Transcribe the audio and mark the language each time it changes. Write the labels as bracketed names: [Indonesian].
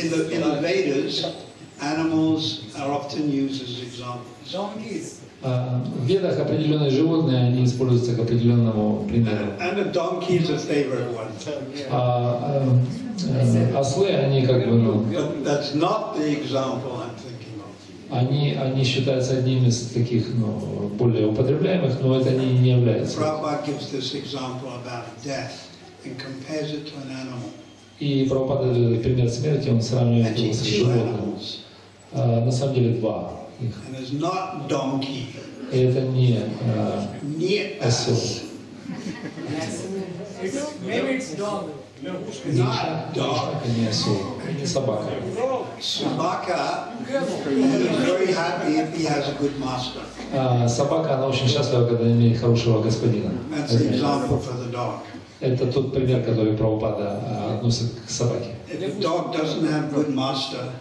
[English] In the Vedas, animals are often used as examples. [Russian] В Ведах определенные животные они используются к определенному примеру. [English] And a donkey is a favorite one. [Russian] Ослы они как бы. Ну, [English] that's not the example I'm thinking of. [Russian] Они считаются одним из таких, ну, более употребляемых, но это не является. [English] Prabhupada gives this example about death and compares it to an animal. [Russian] И Прабхупада дает пример смерти, он сравнивает его с животным. На самом деле два. [English] And it's not donkey. [Russian] Это не осел. [English] Yes. Maybe it's dog. No. Not dog. [Russian] Не осел. Собака. [English] Собака. He is very happy if he has a good master. [Russian] Собака, она очень счастлива, когда имеет хорошего господина. [English] That's an example for the dog. [Russian] Это тот пример, который Прабхупада относит к собаке. [English] If the dog doesn't have a good master.